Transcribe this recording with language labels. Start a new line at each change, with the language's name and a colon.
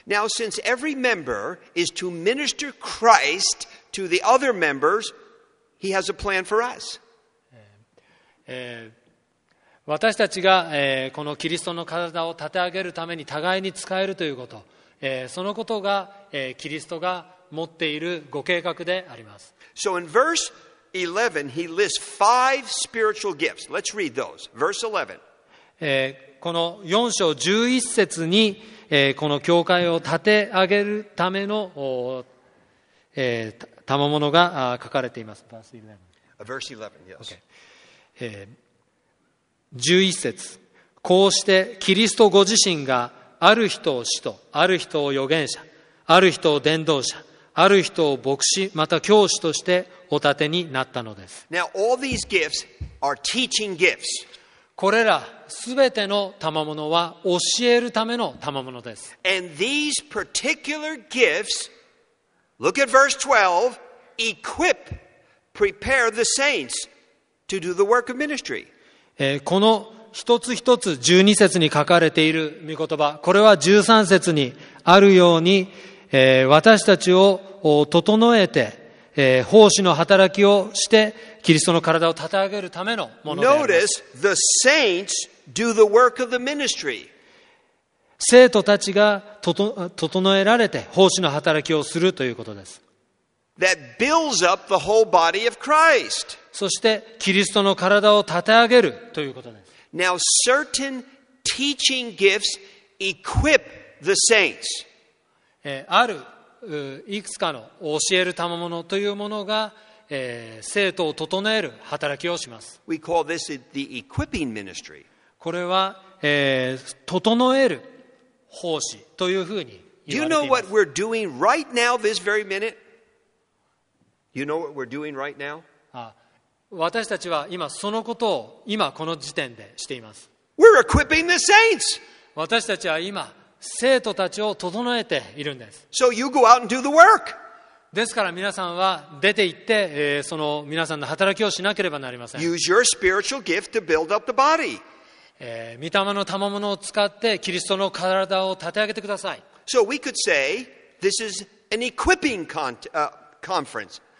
English: Now, since every member is to minister Christ to the other members,He has a plan for us.
Japanese: 私たちが、このキリストの体を立て上げるために互いに使えるということ、そのことが、キリストが持っているご計画であります。
English: So in verse 11, he lists five spiritual gifts. Let's read those. Verse 11.
Japanese: この4章11節に、この教会を立て上げるための、賜物が書かれています。
English: Verse 11, yes.
Japanese: Okay. 11節。こうして、キリストご自身がある人を使徒、ある人を預言者、ある人を伝道者、ある人を牧師、また教師としてお立てになったのです。
English: Now, all these gifts are teaching gifts.
Japanese: これらすべての賜物は教えるための賜物です。
English: And these particular gifts, look at verse 12, equip, prepare the saints to do the work of ministry.
Japanese: この一つ一つ十二節に書かれている御言葉、これは十三節にあるように、私たちを整えて、奉仕の働きをしてキリストの体を立て上げるためのものであります。
English: Notice the saints do the work of the ministry.
Japanese: 聖徒たちが整えられて奉仕の働きをするということです。
English: That builds up the whole body of Christ.
Japanese: そしてキリストの体を立て上げるということです。
English: Now certain teaching gifts equip the saints.
Japanese: ある。いくつかの教える賜物というものが、生徒を整える働きをします。
English: We call this the equipping ministry.
Japanese: これは、整える奉仕というふうに言われています。
English: You know what we're doing right now this very minute? You know what we're doing right now?
Japanese: 私たちは今そのことを今この時点でしています。
English: We're equipping the saints.
Japanese: 私たちは今生徒たちを整えているんです。
English: So you go out and do the work.
Japanese: ですから皆さんは出て行って、その皆さんの働きをしなければなりません。
English: Use your spiritual gift to build up the body.
Japanese: 御霊の賜物を使ってキリストの体を立て上げてください。
English: So we could say this is an equipping conference.